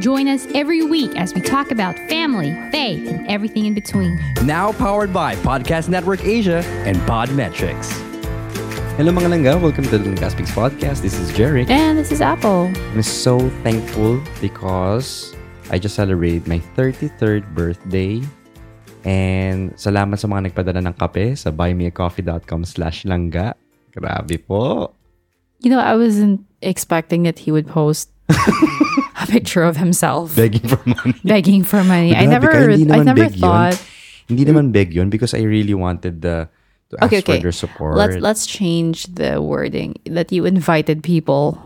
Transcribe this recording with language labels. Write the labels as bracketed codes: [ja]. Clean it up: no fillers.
[en] Join us every week as we talk about family, faith, and everything in between. Now powered by Podcast Network Asia and Podmetrics. Hello [tl] mga langga, [en] welcome to the Langas Speaks podcast. This is Jerick. And this is Apple. I'm so thankful because I just celebrated my 33rd birthday. [tl] And salamat sa mga nagpadala ng kape sa buymeacoffee.com/langga. Grabe po. [en] You know, I wasn't expecting that he would post a picture of himself. Begging for money. I never thought. [tl] Hindi naman beg yun [en] because I really wanted to ask for your support. Let's change the wording that you invited people.